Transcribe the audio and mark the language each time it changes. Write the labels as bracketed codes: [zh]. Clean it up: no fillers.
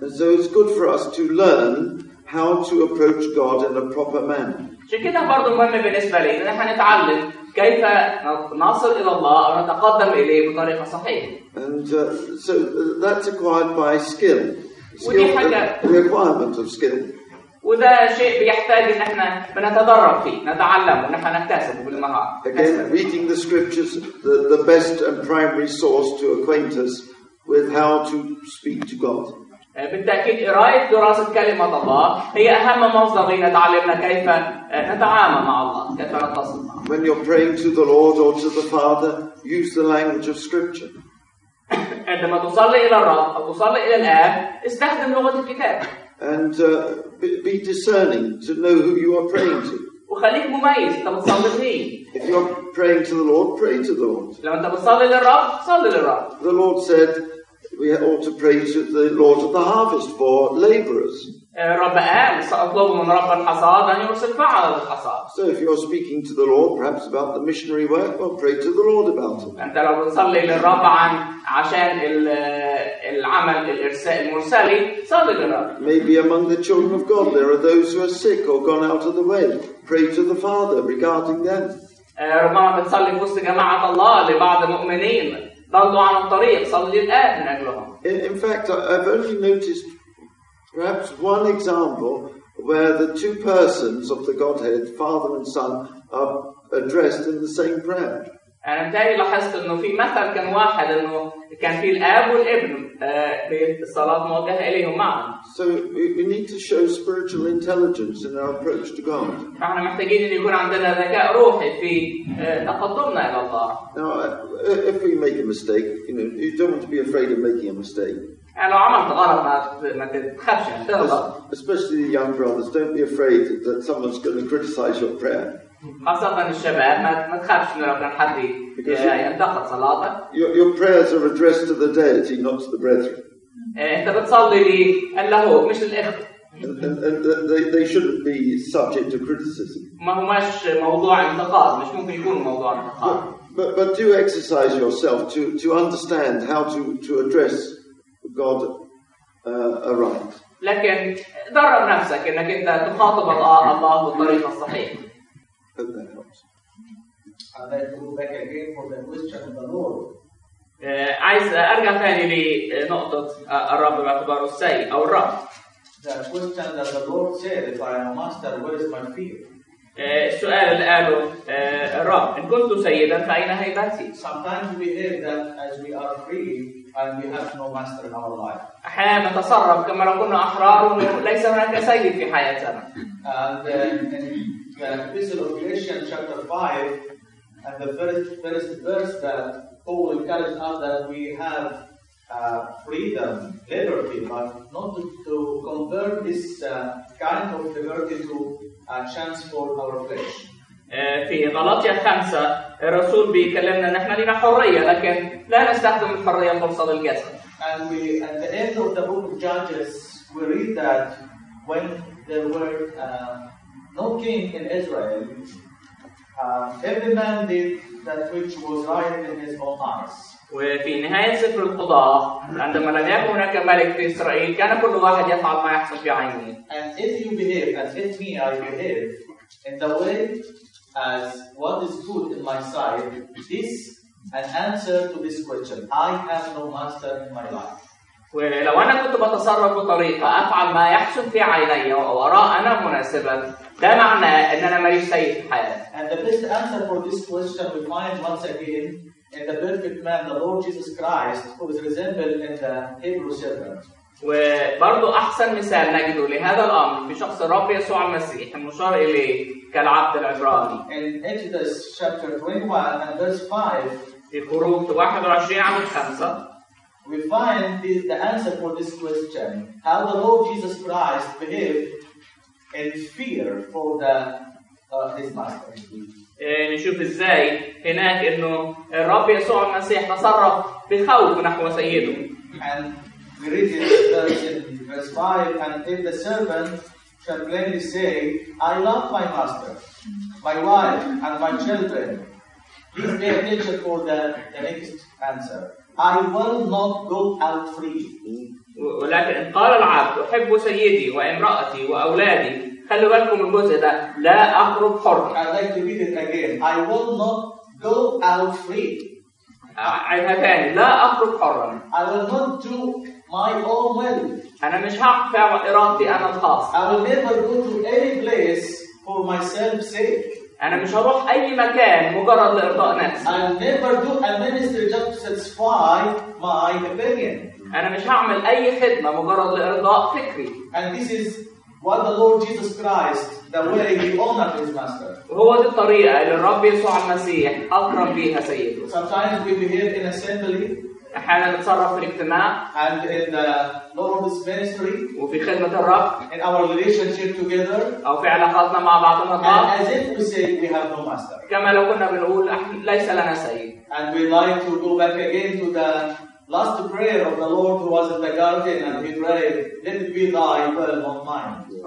[en] So it's good for us to learn how to approach God in a proper manner. [ar] عشان كده برضه مهم بالنسبه لي ان احنا نتعلم كيف نصل الى الله او نتقدم اليه بطريقه صحيحه. [en] And so that's acquired by skill. The requirement of skill. [ar] وده شيء بيحتاج ان احنا بنتدرب فيه، نتعلم ان احنا نكتسبه بالمهارة. [en] Again, reading the scriptures, the best and primary source to acquaint us with how to speak to God. [ar] بالتأكيد قراءة دراسة كلمة الله هي أهم مصدر لنا تعلمنا كيف نتعامل مع الله، كيف نتصل معه. [en] When you're praying to the Lord or to the Father, use the language of scripture. [ar] عندما تصلي إلى الرب أو تصلي إلى الآب استخدم لغة الكتاب. [en] And be discerning to know who you are praying to. [ar] وخليك مميز أنت بتصلي لمين. [en] If you're praying to the Lord, pray to the Lord. [ar] لو أنت بتصلي للرب صلي للرب. [en] The Lord said we ought to pray to the Lord of the harvest for laborers. [ar] رب قال سأطلب من رب الحصاد أن يرسل فعلا للحصاد. [en] So if you're speaking to the Lord perhaps about the missionary work, well pray to the Lord about it. [ar] أنت لو بتصلي للرب عن عشان العمل الإرساء المرسلي صلي للرب. [en] Maybe among the children of God there are those who are sick or gone out of the way. Pray to the Father regarding them. [ar] ربما بتصلي في وسط جماعة الله لبعض المؤمنين ضلوا عن الطريق صلي للآب من أجلهم. [en] In fact I've only noticed perhaps one example where the two persons of the Godhead, Father and Son, are addressed in the same prayer. [ar] أنا بتاعي لاحظت إنه في مثل كان واحد إنه كان في الأب والابن بالصلاة موجهة إليهم معا. [en] So we need to show spiritual intelligence in our approach to God. [ar] فاحنا محتاجين إن يكون عندنا ذكاء روحي في تقدمنا إلى الله. [en] Now if we make a mistake, you know, you don't want to be afraid of making a mistake. [ar] أنا عملت غلط ما تتخافش إن شاء الله. [en] Especially the young brothers, don't be afraid that someone's going to criticize your prayer. [ar] خاصة الشباب ما تخافش من ربنا حد ينتقد صلاتك. [en] Your prayers are addressed to the deity, not to the brethren. [ar] أنت بتصلي للهو مش للإخوة. [en] And they shouldn't be subject to criticism. [ar] ما هو مش موضوع انتقاد، مش ممكن يكون موضوع انتقاد. [en] But do exercise yourself to understand how to address God aright. [ar] لكن درب نفسك إنك أنت تخاطب الله بالطريقة الصحيحة. [en] And then what? And then go back again for the question of the Lord. [ar] عايز أرجع تاني لنقطة الرب باعتباره السيء أو الرب. [en] The question that the Lord said, if I am a master, where is my fear? [ar] السؤال اللي قاله الرب، إن كنت سيدا فأين هيبتي؟ [en] Sometimes we hear that as we are free and we have no master in our life. [ar] أحيانا نتصرف كما لو كنا أحرار وليس هناك سيد في حياتنا. [en] Epistle of Galatians chapter 5 and the first verse that Paul encouraged us that we have freedom, liberty, but not to convert this kind of liberty to a chance for our flesh. [ar] في غلطية 5 الرسول بيكلمنا ان احنا لنا حرية لكن لا نستخدم الحرية لمصد الجسد. [en] And we, at the end of the book of Judges, we read that when there were no king in Israel, every man did that which was right in his own eyes. [ar] وفي نهاية سفر القضاء عندما لم يكن هناك ملك في إسرائيل كان كل واحد يفعل ما يحسن في عينه. [en] And if you behave as if me I behave in the way as what is good in my sight, this an answer to this question. I have no master in my life. [ar] ولو أنا كنت بتصرف بطريقة أفعل ما يحسن في عيني وأرى أنا مناسبا ده معنى أن أنا ماليش سيد في حياتي. [en] And the best answer for this question we find once again in the perfect man, the Lord Jesus Christ, who is resembled in the Hebrew servant. [ar] وبرضو أحسن مثال نجده لهذا الأمر في شخص الرب يسوع المسيح المشار إليه كالعبد العبراني. [en] In Exodus chapter 21 and verse 5 [ar] في خروج 21 عدد 5 [en] we find the answer for this question, how the Lord Jesus Christ behaved in fear for the his master. [ar] نشوف ازاي هناك انه الرب يسوع المسيح تصرف بخوف نحو سيده. [en] And we read in verse 5, and if the servant shall plainly say, I love my master, my wife, and my children, please pay attention for the next answer. I will not go out free. [ar] ولكن إن قال العبد أحب سيدي وامرأتي وأولادي خلوا بالكم الجزء ده لا أخرج حرا. [en] I'd like to read it again. I will not go out free. [ar] عيها ثاني لا أخرج حرا. [en] I will not do my own will. [ar] أنا مش هعمل إرادتي أنا الخاص. [en] I will never go to any place for myself's sake. [ar] أنا مش هروح أي مكان مجرد لإرضاء نفسي. [en] I'll never do a ministry just to satisfy my opinion. [ar] أنا مش هعمل أي خدمة مجرد لإرضاء فكري. [en] And this is what the Lord Jesus Christ, the way he honored his master. [ar] هو دي الطريقة اللي الرب يسوع المسيح أكرم بيها سيده. [en] Sometimes we behave in assembly. [ar] أحيانا نتصرف في الاجتماع. [en] And in the Lord's ministry. [ar] وفي خدمة الرب. [en] In our relationship together. [ar] أو في علاقاتنا مع بعضنا البعض. [en] And as if we say we have no master. [ar] كما لو كنا بنقول ليس لنا سيد. [en] And we like to go back again to the last prayer of the Lord who was in the garden and he prayed, let it be thy will not mine.